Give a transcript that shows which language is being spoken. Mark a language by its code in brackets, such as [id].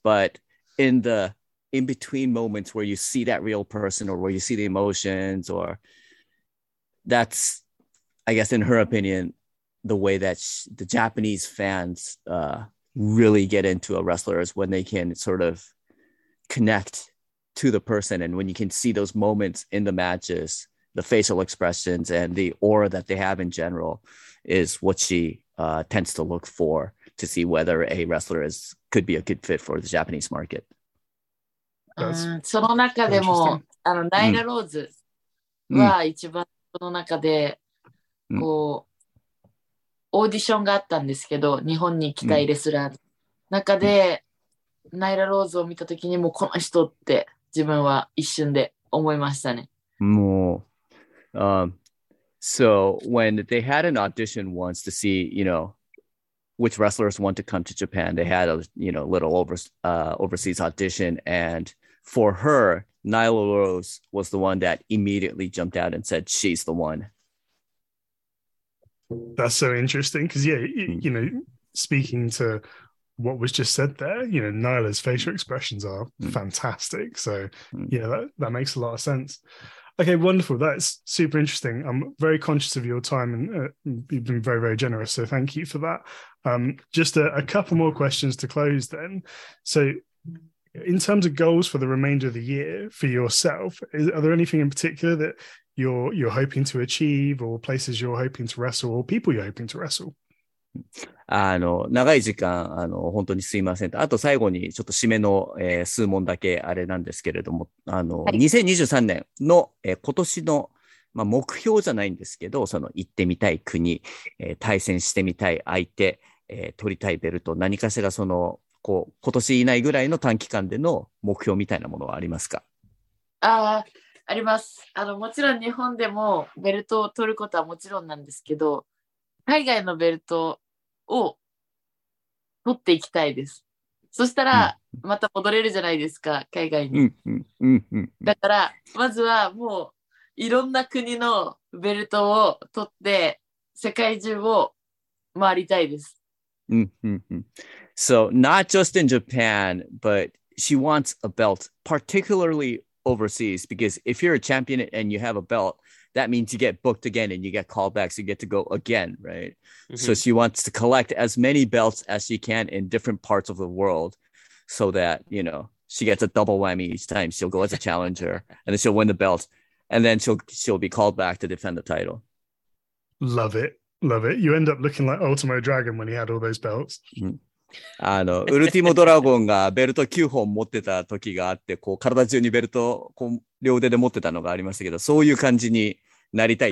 [en] But in the in-between moments where you see that real person or where you see the emotions, or that's, I guess, in her opinion, the way that the Japanese fans really get into a wrestler is when they can sort of connect to the person. And when you can see those moments in the matches, the facial expressions and the aura that they have in general is what she tends to look for to see whether a wrestler is could be a good fit for the Japanese market. [ja] その中でも、あのナイラローズは一番その中でこう、オーディションがあったんですけど、日本に来たいレスラーの中で、ナイラローズを見た時にもうこの人って自分は一瞬で思いましたね。 [en] もう、So when they had an audition once to see, you know, which wrestlers want to come to Japan, they had a, you know, little overseas audition. And for her, Nyla Rose was the one that immediately jumped out and said, she's the one. That's so interesting. Because, yeah, you know, speaking to what was just said there, you know, Nyla's facial expressions are fantastic. So, yeah, that makes a lot of sense. Okay, wonderful. That's super interesting. I'm very conscious of your time and you've been very, very generous. So thank you for that. Just a couple more questions to close then. So in terms of goals for the remainder of the year for yourself, are there anything in particular that you're hoping to achieve or places you're hoping to wrestle or people you're hoping to wrestle? [ja] 長い時間本当にすいませんと、あと最後にちょっと締めの、数問だけあれなんですけれども、はい、2023年の、今年の、まあ、目標じゃないんですけど、その行ってみたい国、対戦してみたい相手、取りたいベルト、何かしらそのこう今年いないぐらいの短期間での目標みたいなものはありますか？あります。もちろん日本でもベルトを取ることはもちろんなんですけど、海外のベルトを取っていきたいです。そしたらまた戻れるじゃないですか、海外に。だからまずはもういろんな国のベルトを取って世界中を回りたいです。 [en] So not just in Japan, but she wants a belt, particularly overseas, because if you're a champion and you have a belt,that means you get booked again and you get callbacks, you get to go again, right? Mm-hmm. So she wants to collect as many belts as she can in different parts of the world so that, you know, she gets a double whammy each time. She'll go as a challenger and then she'll win the belt And then she'll be called back to defend the title. Love it. Love it. You end up looking like Ultimo Dragon when he had all those belts. [ja] あの、ウルティモドラゴンがベルト9本持ってた時があって、こう体中にベルトこう両手で持ってたのがありましたけど、そういう感じになりたい。